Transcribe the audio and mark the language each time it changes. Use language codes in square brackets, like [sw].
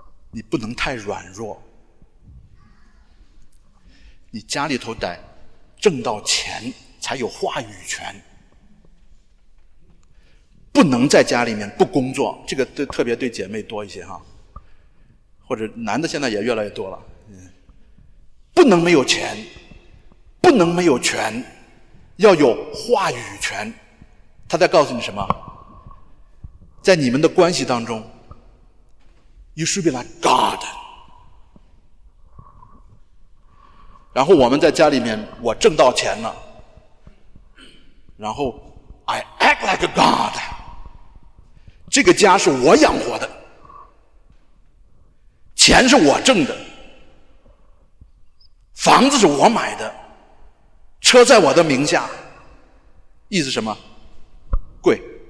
[zh] 你不能太软弱，你家里头得挣到钱才有话语权，不能在家里面不工作，这个对特别对姐妹多一些哈，或者男的现在也越来越多了，不能没有钱，不能没有权，要有话语权。他在告诉你什么？在你们的关系当中 [en] You should be like God。 [zh] 然后我们在家里面，我挣到钱了，然后 [en] I act like a God， [zh] 这个家是我养活的，钱是我挣的，房子是我买的，车在我的名下。意思什么？贵。